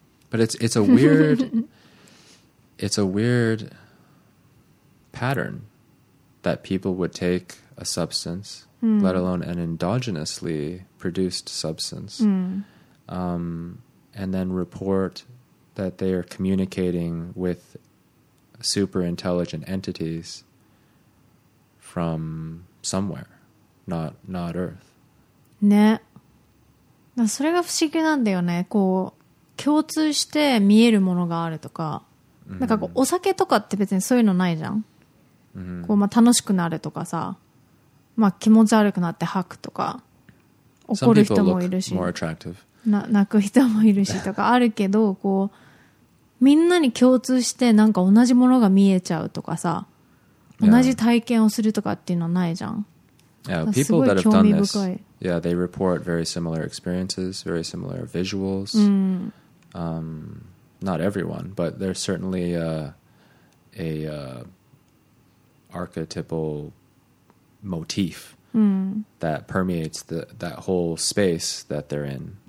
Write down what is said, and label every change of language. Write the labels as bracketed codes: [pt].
[en] But it's a weird it's a weird pattern that people would take a substance, let alone an endogenously produced substance, and then report that they are communicating with super intelligent entities from somewhere, not Earth. ね。 [ja] それが不思議なんだよね。こう、共通して見えるものがあるとか。なんかこう、お酒とかって別にそういうのないじゃん。こう、まあ楽しくなるとかさ。まあ気持ち悪くなって吐くとか。怒る人もいるし。 [en] More attractive. [ja] 泣く人もいるしとかあるけど、こうみんなに共通してなんか同じものが見えちゃうとかさ、同じ体験をするとかっていうのはないじゃん。 [en] Yeah, people that have done this, yeah, they report very similar experiences, very similar visuals. Not everyone, but there's certainly a archetypal motif that permeates that whole space that they're in.